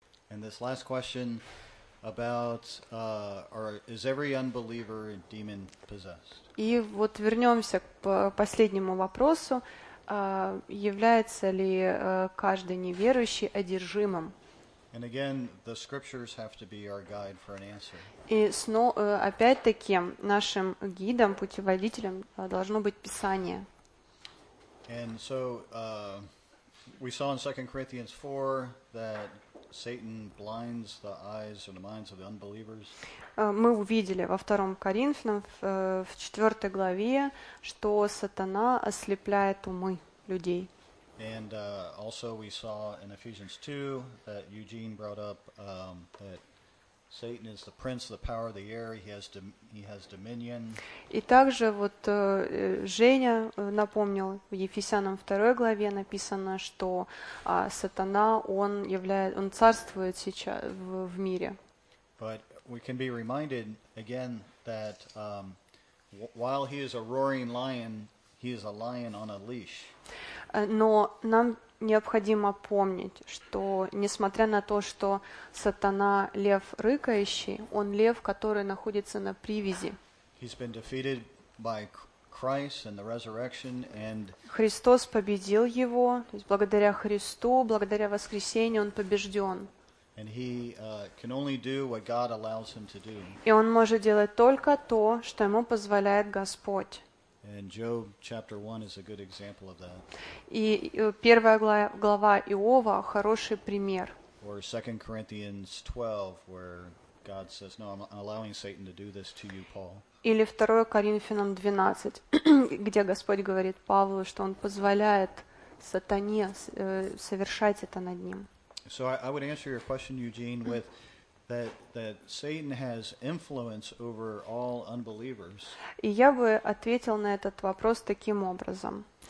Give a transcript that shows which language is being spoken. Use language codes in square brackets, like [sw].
[en] And this last question about, is every unbeliever demon possessed? [ru] И вот вернемся к последнему вопросу. Является ли каждый неверующий одержимым? [en] And again, the scriptures have to be our guide for an answer. [ru] И снова, опять-таки, нашим гидом, путеводителем должно быть Писание. [en] And so, we saw in 2 Corinthians 4 that Satan blinds the eyes and the minds of the unbelievers. [ru] Мы увидели во 2 Коринфянам, в 4 главе, что сатана ослепляет умы людей. [en] And also we saw in Ephesians 2 that Eugene brought up that Satan is the prince of the power of the air. He has dominion. [ru] И также вот Женя напомнил, в Ефесянам 2 главе написано, что сатана, он царствует сейчас в мире. [en] But we can be reminded again that while he is a roaring lion, he is a lion on a leash. [ru] Но нам необходимо помнить, что несмотря на то, что сатана – лев рыкающий, он лев, который находится на привязи. [en] He's been defeated by Christ and the resurrection and... [ru] Христос победил его, то есть благодаря Христу, благодаря воскресению он побежден. [en] And he can only do what God allows him to do. [ru] И он может делать только то, что ему позволяет Господь. [en] And Job chapter 1 is a good example of that. [ru] И первая глава Иова – хороший пример. [en] Or 2 Corinthians 12, where God says, no, I'm allowing Satan to do this to you, Paul. [ru] Или 2 Коринфянам 12, где Господь говорит Павлу, что он позволяет сатане совершать это над ним. [en] So I would answer your question, Eugene, with... That Satan has influence over all unbelievers. [ru] И я бы ответил на этот вопрос таким образом.